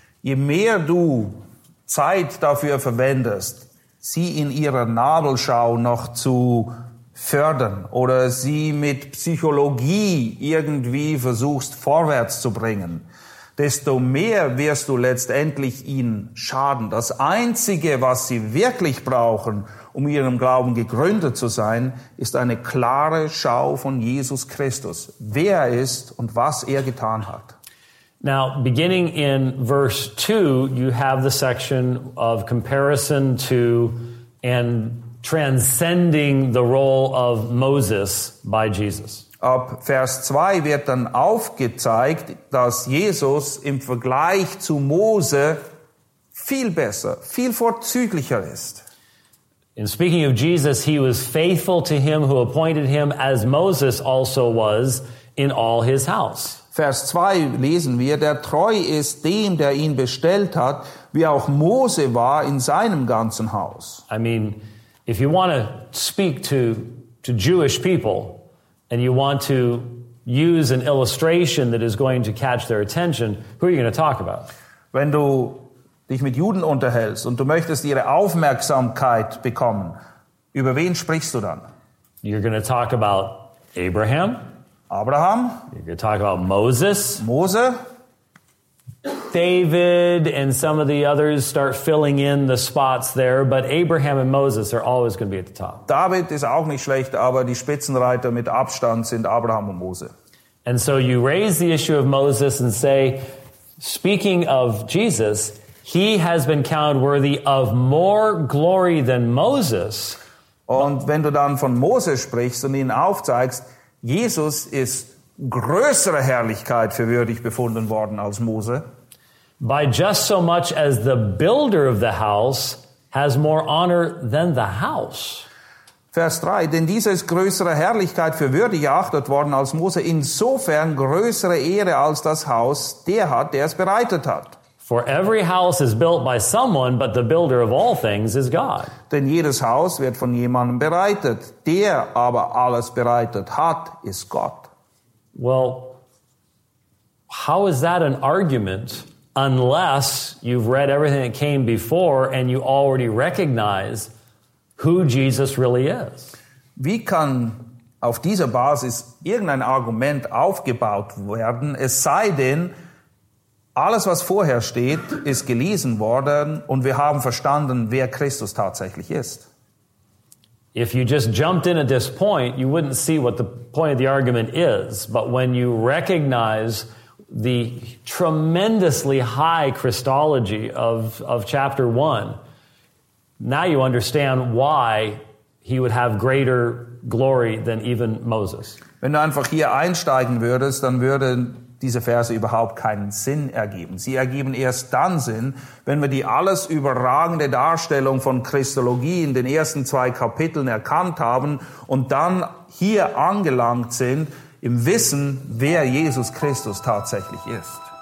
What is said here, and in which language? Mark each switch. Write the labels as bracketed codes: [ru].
[de] Je mehr du Zeit dafür verwendest, sie in ihrer Nabelschau noch zu fördern oder sie mit Psychologie irgendwie versuchst vorwärts zu bringen, desto mehr wirst du letztendlich ihnen schaden. Das Einzige, was sie wirklich brauchen, um ihrem Glauben gegründet zu sein, ist eine klare Schau von Jesus Christus, wer er ist und was er getan hat. [en] Now, beginning in verse 2, you have the section of comparison to and transcending the role of Moses by Jesus. [de] Ab Vers 2 wird dann aufgezeigt, dass Jesus im Vergleich zu Mose viel besser, viel vorzüglicher ist. [en] In speaking of Jesus, he was faithful to him who appointed him, as Moses also was in all his house. [de] Vers 2 lesen wir, der treu ist dem, der ihn bestellt hat, wie auch Mose war in seinem ganzen Haus. [en] I mean, if you want to speak to Jewish people and you want to use an illustration that is going to catch their attention, who are you going to talk about? [de] Wenn du dich mit Juden unterhältst und du möchtest ihre Aufmerksamkeit bekommen, über wen sprichst du dann? [en] You're going to talk about Abraham. [de] Abraham. [en] You're going to talk about Moses. [de] Mose. [en] David and some of the others start filling in the spots there, but Abraham and Moses are always going to be at the top. [de] David ist auch nicht schlecht, aber die Spitzenreiter mit Abstand sind Abraham und Mose. [en] And so you raise the issue of Moses and say, speaking of Jesus, he has been counted worthy of more glory than Moses. [de] Und wenn du dann von Moses sprichst und ihn aufzeigst, Jesus ist größere Herrlichkeit für würdig befunden worden als Mose. [en] By just so much as the builder of the house has more honor than the house. [de] Vers 3, denn dieser ist größere Herrlichkeit für würdig erachtet worden als Mose, insofern größere Ehre als das Haus der hat, der es bereitet hat. [en] For every house is built by someone, but the builder of all things is God. [de] Denn jedes Haus wird von jemandem bereitet, der aber alles bereitet hat, ist Gott. [en] Well, how is that an argument unless you've read everything that came before and you already recognize who Jesus really is? [de] Wie kann auf dieser Basis irgendein Argument aufgebaut werden, es sei denn, alles, was vorher steht, ist gelesen worden und wir haben verstanden, wer Christus tatsächlich ist. [en] If you just jumped in at this point, you wouldn't see what the point of the argument is. But when you recognize the tremendously high Christology of chapter 1, now you understand why he would have greater glory than even Moses. [de] Wenn du einfach hier einsteigen würdest, dann würde diese Verse überhaupt keinen Sinn ergeben. Sie ergeben erst dann Sinn, wenn wir die alles überragende Darstellung von Christologie in den ersten zwei Kapiteln erkannt haben und dann hier angelangt sind, im Wissen, wer Jesus Christus tatsächlich ist.